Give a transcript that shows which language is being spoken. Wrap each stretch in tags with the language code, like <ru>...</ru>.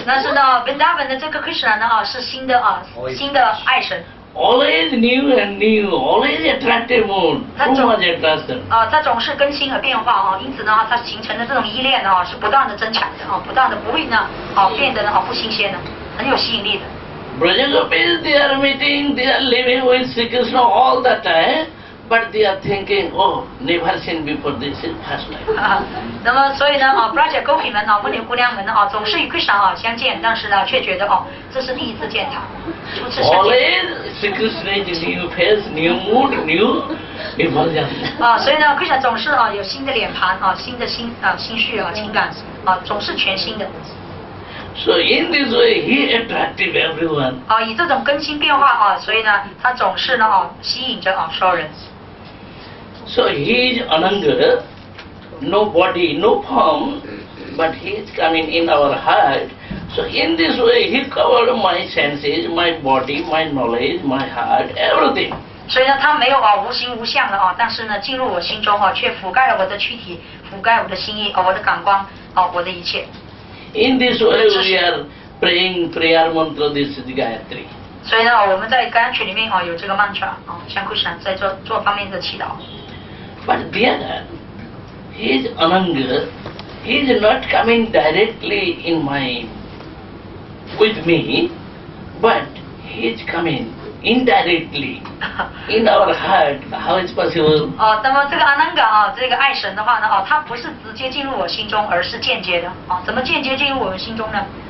<zh>那是呢 ，Vrindavan 的这个 Krishna 呢，啊，是新的啊，新的爱神。</zh> <en>Always new and new, always attractive mood. Too much attraction.</en> <zh>啊，它总是更新和变化啊，因此呢，它形成的这种依恋呢，啊，是不断的增强的啊，不断的不会呢，啊，变得呢，啊，不新鲜的，很有吸引力的。</zh> <en>Brajagopis, they are meeting, they are living with Sri Krishna all the time, but they are thinking, oh, never seen before this in past life.</en> <zh>那么所以呢，啊 ，Brajagopis 们啊，牧牛姑娘们啊，总是与 Krishna 啊相见，但是呢，却觉得哦，这是第一次见他，初次相见。</zh> <en>Always Sri Krishna is new face, new mood, new emotion.</en> <zh>啊，所以呢 ，Krishna 总是啊有新的脸盘啊，新的心啊，心绪啊，情感啊，总是全新的。</zh> <en>So in this way, he attracted everyone.</en> <zh>以这种更新变化啊，所以呢，他总是呢吸引着啊所有人。</zh> <en>So he is Ananga, no body, no form, but he is coming in our heart. So in this way, he covered my senses, my body, my knowledge, my heart, everything.</en> <zh>所以呢，他没有啊，无形无相的啊，但是呢，进入我心中啊，却覆盖了我的躯体，覆盖我的心意啊，我的感官啊，我的一切。</zh> <en>In this way, we are praying prayer mantra this Gayatri.</en> <zh>所以呢，我们在甘曲里面啊，有这个mantra啊，像库什坦在做方面的祈祷。</zh> <en>But there, he is ananga. He is not coming directly in my with me, but he is coming. Indirectly, in our heart, how is possible?</en> <zh>哦，那么这个阿南嘎啊，这个爱神的话呢，哦，他不是直接进入我心中，而是间接的。哦，怎么间接进入我们心中呢</zh>